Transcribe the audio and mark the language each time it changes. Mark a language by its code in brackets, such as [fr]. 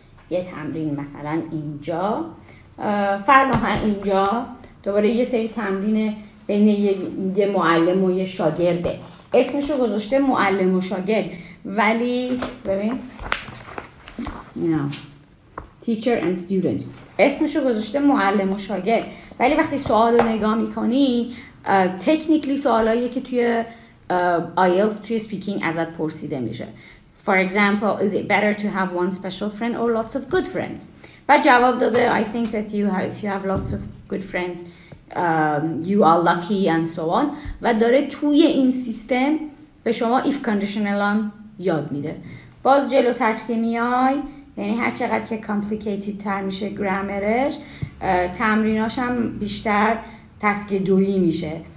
[fa] یه تمرین مثلا اینجا. فرض هم اینجا دوباره یه سری تمرین بین یه معلم و یه شاگرده، اسمشو گذاشته معلم و شاگرد، ولی ببین نه [en] teacher and student، [fa] اسمشو گذاشته معلم و شاگرد، ولی وقتی سوال رو نگاه میکنی تکنیکلی سوالایی که توی IELTS توی speaking ازت پرسیده میشه. [en] For example, is it better to have one special friend or lots of good friends? But [fa] جواب داده, [en] I think that if you have lots of good friends, you are lucky and so on. [fa] و داره توی این سیستم به شما if conditional هم یاد میده. باز جلوتر که میای, یعنی هر چقدر که complicated تر میشه گرامرش, تمریناش هم بیشتر task 2ی میشه.